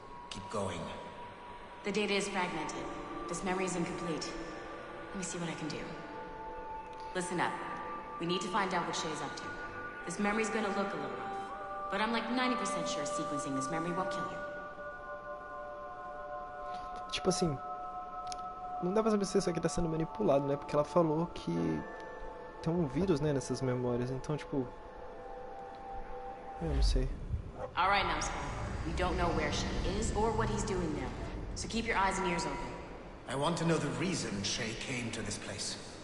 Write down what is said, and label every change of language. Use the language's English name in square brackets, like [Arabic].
[English] Keep going. The data is fragmented. This memory is incomplete. Let me see what I can do. Listen up. We need to find out what Shay's up to. This memory's gonna look a little rough. But I'm like 90% sure sequencing this memory won't kill you. [Portuguese] Tipo assim, não dá pra saber se isso aqui tá sendo manipulado, né? Porque ela falou que tem um vírus, né, nessas memórias. Então, tipo, eu não sei. [English] All right, now, Scott. We don't know where she is or what he's doing now. So keep your eyes and ears open. I want to know the reason Shay came to this place.